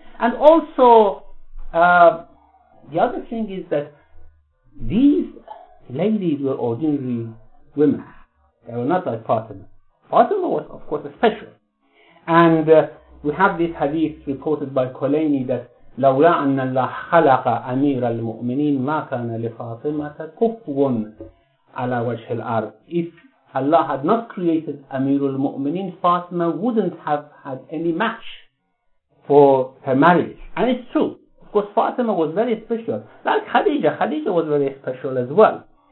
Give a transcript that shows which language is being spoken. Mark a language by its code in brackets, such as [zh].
[en] And also, the other thing is that these ladies were ordinary women. They were not like Fatima. Fatima was, of course, special. And we have this hadith reported by Khulaini that [ar] لَوْلَا أَنَّ اللَّهَ خَلَقَ أَمِيرَ الْمُؤْمِنِينَ مَا كَانَ لِفَاطِمَةَ كُفْوٌ عَلَى وَجْهِ الْأَرْضِ. [en] If Allah had not created Amirul Mu'mineen, Fatima wouldn't have had any match for her marriage. And it's true. Of course, Fatima was very special. Like Khadija. Khadija was very special as well.